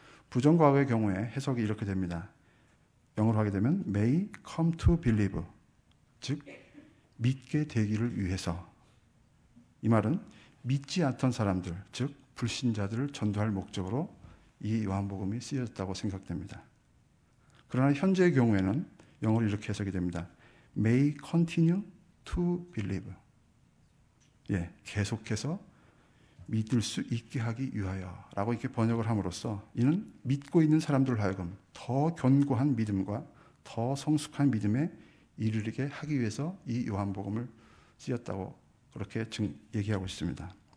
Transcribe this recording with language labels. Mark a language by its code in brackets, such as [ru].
[ko] 부정 과거의 경우에 해석이 이렇게 됩니다. 영어로 하게 되면 [en] may come to believe, [ko] 즉 믿게 되기를 위해서. 이 말은 믿지 않던 사람들, 즉 불신자들을 전도할 목적으로 이 요한복음이 쓰여졌다고 생각됩니다. 그러나 현재의 경우에는 영어로 이렇게 해석이 됩니다. [en] May continue to believe. [ko] 예, 계속해서 믿을 수 있게 하기 위하여 라고 이렇게 번역을 함으로써 이는 믿고 있는 사람들 하여금 더 견고한 믿음과 더 성숙한 믿음에 이르게 하기 위해서 이 요한복음을 쓰였다고 그렇게 얘기하고 있습니다.